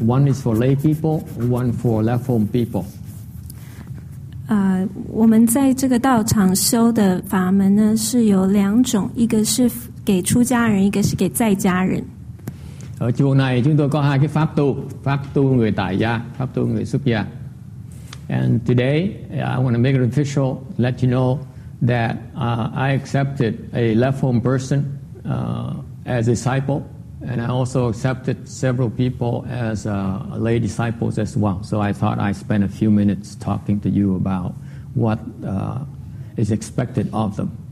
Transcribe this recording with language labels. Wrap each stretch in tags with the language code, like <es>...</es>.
<en>One is for lay people, one for platform people.</en> <zh>我们在这个道场修的法门呢，是有两种，一个是给出家人，一个是给在家人。</zh> <vi>Ở chùa này chúng tôi có hai cái pháp tu người tại gia, pháp tu người xuất gia.</vi> <en>And today I want to make it official, let you know that I accepted a platform person as a disciple, and I also accepted several people as lay disciples as well. So I thought I'd spend a few minutes talking to you about what is expected of them.</en>